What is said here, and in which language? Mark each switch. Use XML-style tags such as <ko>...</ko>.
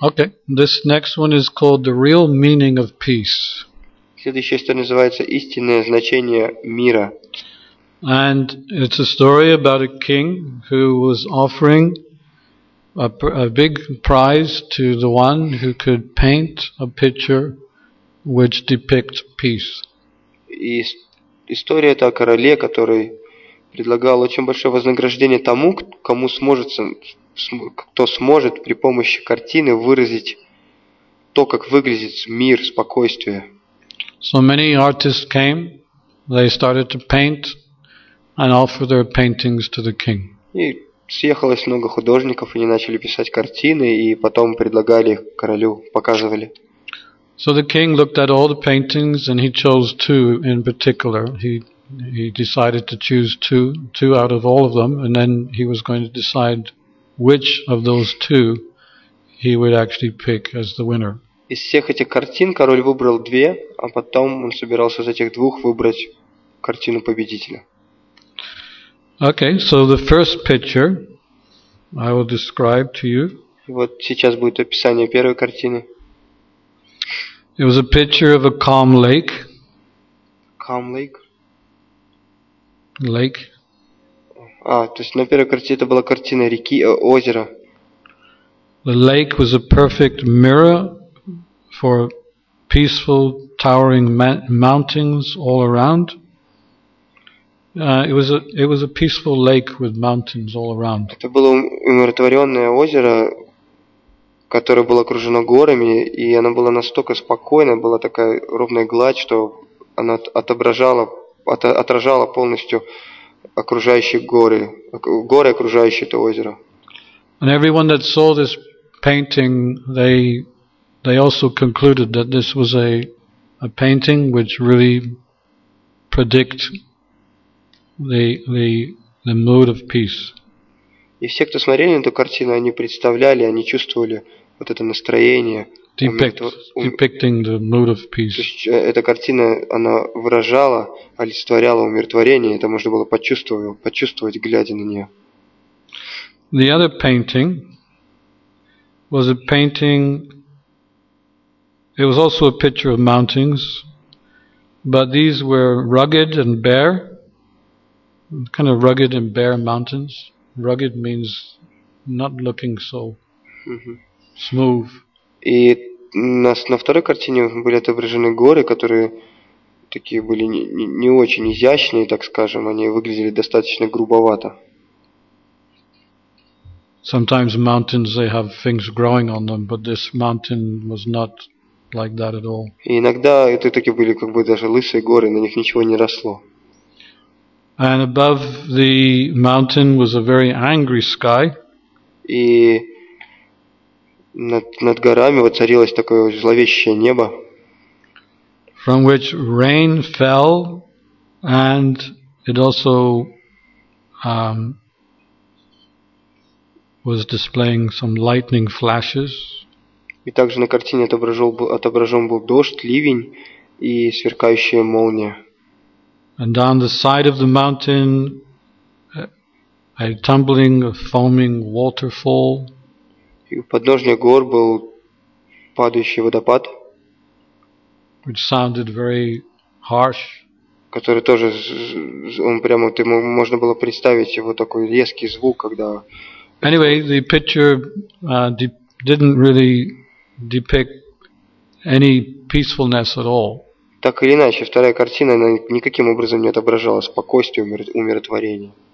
<en>Okay, this next one is called The Real Meaning of Peace.</en> <ru>Следующая история называется «Истинное значение мира».</ru> <en>And it's a story about a king who was offering a big prize to the one who could paint a picture which depicts peace.</en> <ru>И история это о короле, который предлагал очень большое вознаграждение тому, кому сможет, кто сможет при помощи картины выразить то, как выглядит мир, спокойствие.</ru> <en>So many artists came, they started to paint and offer their paintings to the king.</en> <ru>И съехалось много художников, они начали писать картины и потом предлагали их королю, показывали.</ru> <en>So the king looked at all the paintings and he chose two in particular. He decided to choose two out of all of them, and then he was going to decide which of those two he would actually pick as the winner.</en> <ru>Из всех этих картин король выбрал две, а потом он собирался из этих двух выбрать картину победителя.</ru> <en>Okay, so the first picture I will describe to you.</en> <ru>Вот сейчас будет описание первой картины.</ru> <en>It was a picture of a calm lake. Calm lake? Lake.</en> <ru>А, то есть на первой картине это была картина реки, озера.</ru> <en>The lake was a perfect mirror for peaceful towering mountains all around. It was a peaceful lake with mountains all around.</en> <ru>Это было умиротворённое озеро, которое было окружено горами, и оно было настолько спокойно, была такая ровная гладь, что она отражала полностью окружающие горы, окружающие это озеро.</ru> <en>And everyone that saw this painting, they also concluded that this was a painting which really predict the mood of peace.</en> <ru>И все, кто смотрели на эту картину, они представляли, они чувствовали вот это настроение.</ru> <en>Depicting the mood of peace.</en> <ru>То есть эта картина, она выражала, олицетворяла умиротворение, это можно было почувствовать, глядя на нее.</ru> <en>The other painting was a painting, it was also a picture of mountains, but these were rugged and bare. Kind of rugged and bare mountains. Rugged means not looking so smooth.</en> <ru>И на второй картине были отображены горы, которые такие были не очень изящные, так скажем, они выглядели достаточно грубовато.</ru> <en>Sometimes mountains they have things growing on them, but this mountain was not like that at all.</en> <ru>И иногда это такие были как бы даже лысые горы, на них ничего не росло.</ru> <en>And above the mountain was a very angry sky.</en> <ru>И над горами воцарилось такое зловещее небо.</ru> <en>From which rain fell, and it also was displaying some lightning flashes.</en> <ru>И также на картине отображен был дождь, ливень и сверкающая молния.</ru> <en>And down the side of the mountain, a tumbling, a foaming waterfall.</en> <ru>И у подножия гор был падающий водопад,</ru> <en>which sounded very harsh.</en> <ru>Который тоже, он прямо, можно было представить его такой резкий звук, когда.</ru> <en>Anyway, the picture didn't really depict any peacefulness at all.</en> <ru>Так или иначе, вторая картина никаким образом не отображала спокойствие, умиротворение.</ru>